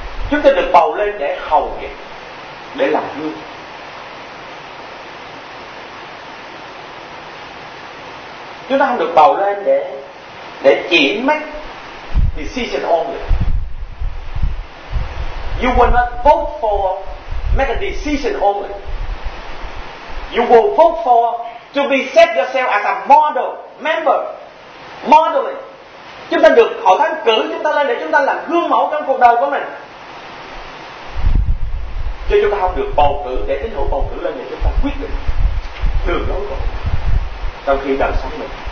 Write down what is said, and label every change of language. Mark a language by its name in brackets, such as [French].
[Vietnamese] Chúng ta được bầu lên để hầu việc, để làm gương. Chúng ta không được bầu lên để chỉ [English] make decision only. You will not vote for make a decision only. You will vote for to be set yourself as a model member, modeling. [Vietnamese] Chúng ta được hội thánh cử chúng ta lên để chúng ta làm gương mẫu trong cuộc đời của mình. Chứ chúng ta không được bầu cử để tín hữu bầu cử lên để chúng ta quyết định đường lối của mình trong khi đời sống mình.